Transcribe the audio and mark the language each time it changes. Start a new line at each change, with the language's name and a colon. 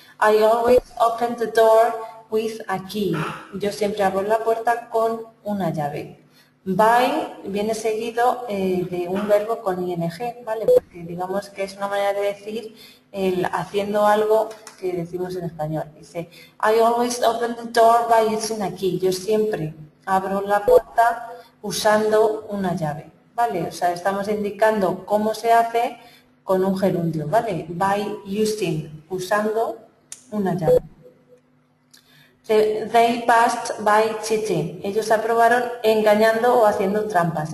English: I always open the door with a key.
Spanish: Yo siempre abro la puerta con una llave. By viene seguido de un verbo con ing, ¿vale? Porque digamos que es una manera de decir el haciendo algo que decimos en español.
English: Dice, I always open the door by using a key.
Spanish: Yo siempre abro la puerta usando una llave, ¿vale? O sea, estamos indicando cómo se hace con un gerundio, ¿vale?
English: By using,
Spanish: usando una llave.
English: They passed by cheating.
Spanish: Ellos aprobaron engañando o haciendo trampas.